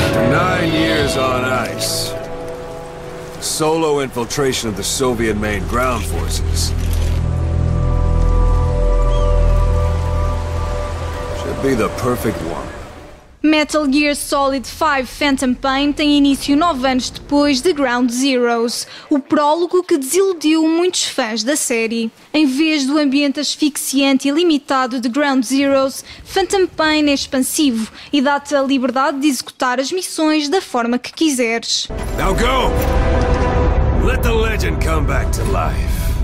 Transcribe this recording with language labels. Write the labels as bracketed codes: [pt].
[en] 9 years on ice. Solo infiltration of the Soviet main ground forces. Should be the perfect one. [pt] Metal Gear Solid 5 Phantom Pain tem início 9 anos depois de Ground Zeroes, o prólogo que desiludiu muitos fãs da série. Em vez do ambiente asfixiante e limitado de Ground Zeroes, Phantom Pain é expansivo e dá-te a liberdade de executar as missões da forma que quiseres. [en] Now go! Let the legend come back to life.